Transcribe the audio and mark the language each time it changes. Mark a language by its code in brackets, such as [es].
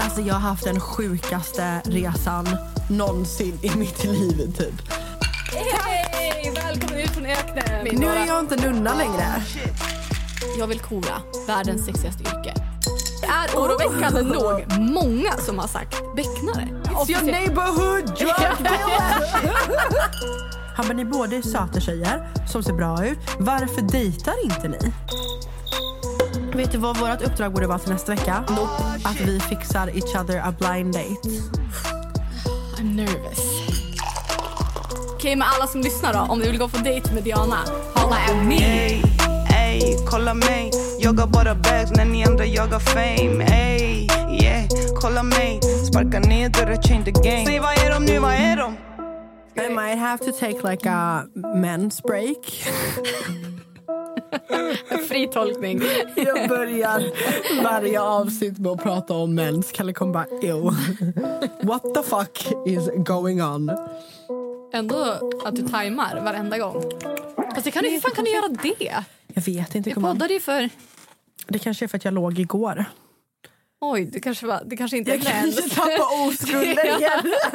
[sv] Alltså jag har haft den sjukaste resan någonsin i mitt liv typ. Hej, välkommen ut från öknen. Nu är jag inte nunna längre. Jag vill kora världens sexigaste yrke. Det är oroväckande nog många som har sagt becknare. [en] It's your neighborhood drug dealer. [sv] Han bara, ni båda är söta tjejer som ser bra ut. Varför dejtar inte ni? Vet du vad vårt uppdrag borde vara till nästa vecka? Att vi fixar [en] each other a blind date. I'm nervous. [sv] Okej, med alla som lyssnar då, om du vill gå på dejt med Diana, hålla en min. [en] Hey, hey, [sv] kolla mig. Jag har bara bags när ni andra jag har fame. [en] Hey, yeah, [sv] kolla mig. Sparka ner dörren, [en] change the game. [sv] Säg, vad är de nu, vad är de? [en] I might have to take like a men's break. [sv] Fritolkning. Jag börjar varje avsnitt med att prata om mens. Kalle kom bara, ew. [en] What the fuck is going on? [sv] Ändå att du tajmar varenda gång. Alltså, kan du, hur fan kan du göra det? Jag vet inte. Jag poddade ju för... Det kanske är för att jag låg igår. Oj, det kanske, var, det kanske inte jag är mens. Jag kanske tappar oskulden igen.